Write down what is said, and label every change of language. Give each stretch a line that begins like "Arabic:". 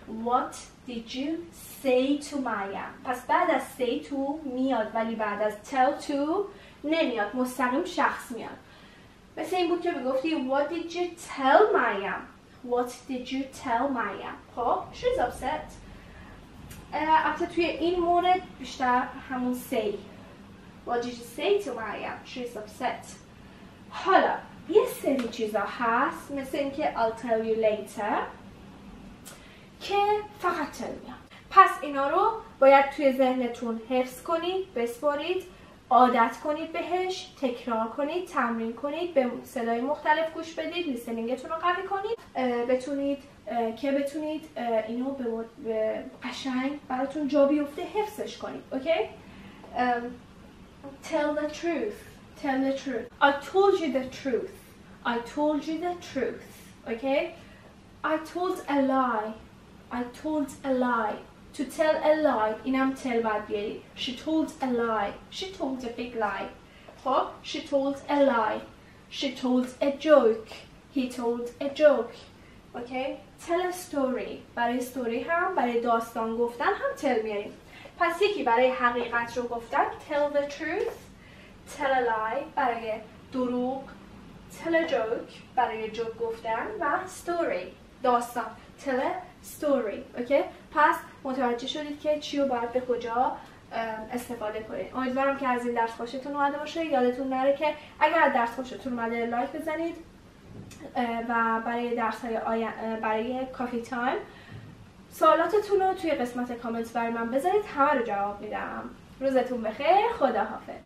English: What did you say to Mariam؟
Persian: پس بعد از say to میاد، ولی بعد از tell to نمیاد، مستقیم شخص میاد. مثل این بود که بگفتی
English: What did you tell Mariam؟ What did you tell Mariam؟ خب she's upset.
Persian: البته توی این مورد بیشتر همون say.
English: What did you say to Mariam؟ She's upset.
Persian: حالا یه سری چیزا هست مثل اینکه
English: I'll tell you later
Persian: که فقط tell میاد. پس اینا رو باید توی ذهنتون حفظ کنید، بسپارید، عادت کنید بهش، تکرار کنید، تمرین کنید، به صدای مختلف گوش بدید، لیسنینگتون رو قوی کنید، بتونید که بتونید اینو به قشنگ براتون جا بیفته حفظش کنید.
English: Okay? tell the truth. Tell the truth. I told you the truth. I told you the truth. Okay? I told a lie. I told a lie. To tell a lie.
Persian: اینم tell باید بیاری.
English: She told a lie. She told a big lie. خب؟ She told a lie. She told a joke. He told a joke. Okay? Tell a story.
Persian: برای story هم، برای داستان گفتن هم tell بیاریم. پس یکی برای حقیقت رو گفتن
English: tell the truth. Tell a lie
Persian: برای دروغ،
English: tell a joke برای joke گفتن و story داستان، tell a story.
Persian: اوکی؟ پس متوجه شدید که چی رو باید به کجا استفاده کنید. امیدوارم که از این درس خوشتون اومده باشه. یادتون نره که اگر درس خوشتون اومده لایک بزنید و برای درس های برای کافی تایم سوالاتتون رو توی قسمت کامنت برای من بذارید، همه رو جواب میدم. روزتون بخیر، خداحافظ.